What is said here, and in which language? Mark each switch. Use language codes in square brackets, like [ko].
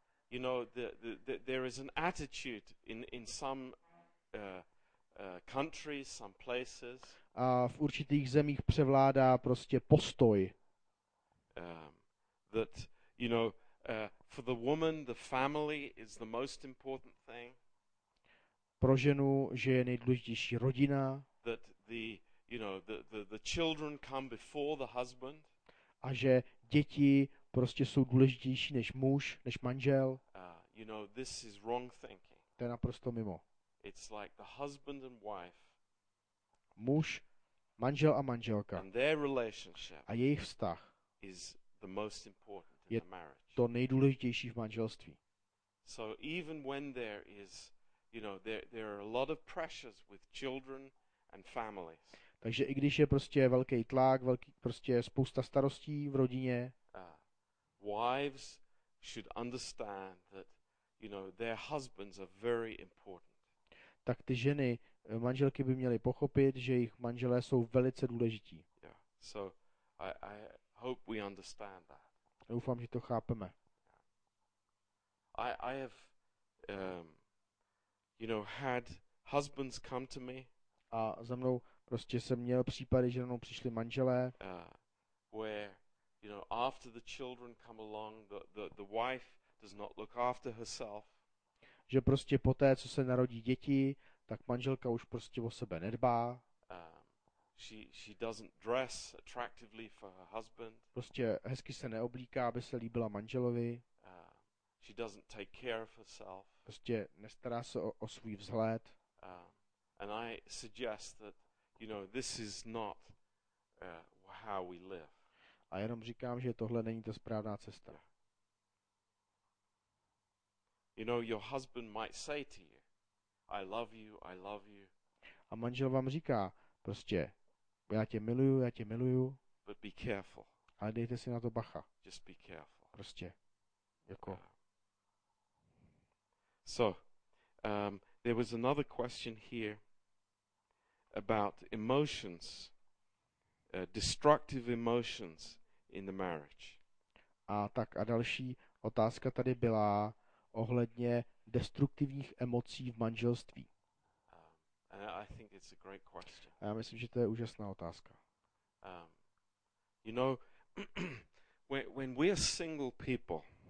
[en] You know, there is an attitude in some countries, some places. [cs] A v určitých zemích převládá prostě postoj. [en] That you know, for the woman, the family is the most important thing. [cs] Pro ženu, že je nejdůležitější rodina. [en] That the, you know, the children come before the husband. [cs] A že děti prostě jsou důležitější než muž, než manžel. [en] You know, this is wrong thinking. [cs] To je naprosto mimo. [en] It's like the husband and wife. [cs] Muž, manžel a manželka. [en] And their relationship. [cs] A jejich vztah. [en] Is the most important in the marriage. [cs] Je to nejdůležitější v manželství. [en] So even when there is, you know, there are a lot of pressures with children. And families. [cs] Takže i když je prostě velký tlak, velký prostě spousta starostí v rodině. [en] Wives should understand that, you know, their husbands are very important. [cs] Tak ty ženy, manželky by měly pochopit, že jejich manželé jsou velice důležití. [en] Yeah. So I hope we understand that. [cs] Doufám, že to chápeme. [en] I have you know, had husbands come to me. [cs] A za mnou prostě jsem měl případy, že na mnou přišli manželé. [en] Where, you know, after the children come along, the wife does not look after herself. [cs] Že prostě poté, co se narodí děti, tak manželka už prostě o sebe nedbá. [en] She doesn't dress attractively for her husband. [cs] Prostě hezky se neoblíká, aby se líbila manželovi. [en] She doesn't take care of herself. [cs] Prostě nestará se o svůj vzhled. [en] And I suggest that, you know, this is not how we live. [cs] A jenom říkám, že tohle není ta správná cesta. [en] You know, your husband might say to you, I love you, I love you. [cs] A manžel vám říká, prostě, já tě miluju, já tě miluju. [en] But be careful. [cs] Ale dejte si na to bacha. [en] Just be careful. [cs] Prostě, jako. [en] So, there was another question here about emotions, destructive emotions in the marriage. [cs] A tak a další otázka tady byla ohledně destruktivních emocí v manželství. [en] And I think it's a great question. [cs] A já myslím, že to je úžasná otázka. [en] You know, when we are single people,